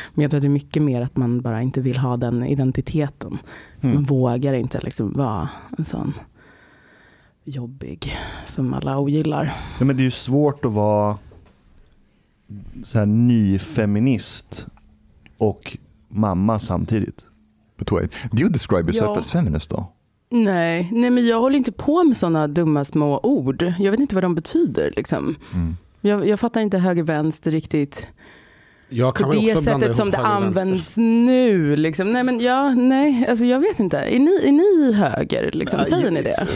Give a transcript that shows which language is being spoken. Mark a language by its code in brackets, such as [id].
[sv] Men jag tror att det är mycket mer att man bara inte vill ha den identiteten. Mm. Man vågar inte liksom vara en sån jobbig som alla ogillar. Ja, men det är ju svårt att vara så här ny feminist och mamma samtidigt. [en] But wait, do you describe yourself as feminist [sv] då? Nej, men jag håller inte på med såna dumma små ord. Jag vet inte vad de betyder liksom. Mm. Jag fattar inte höger vänster riktigt. Jag kan på det sättet som det används nu liksom. Nej, men ja, nej, alltså jag vet inte. Är ni höger liksom? Säger ni det?